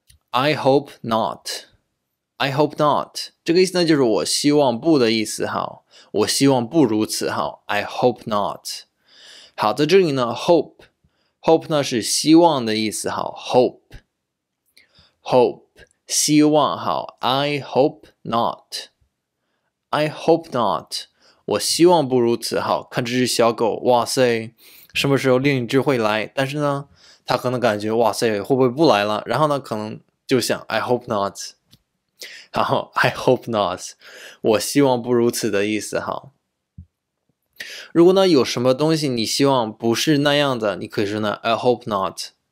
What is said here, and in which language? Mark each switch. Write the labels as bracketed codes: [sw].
[en] I hope not. I hope not. [zh] 这个意思呢就是我希望不的意思。好，我希望不如此。好， [en] I hope not. [zh] 好，在这里呢 Hope 呢是希望的意思。好 ，hope， 希望。 [en] 好 ，I hope not， I hope not， [zh] 我希望不如此。好，看这只小狗，哇塞，什么时候另一只会来？但是呢，它可能感觉哇塞，会不会不来了？然后呢，可能就想 [en] I hope not， [zh] 好 ，I hope not， 我希望不如此的意思。好。如果呢有什么东西你希望不是那样的，你可以说呢 [en] I hope not.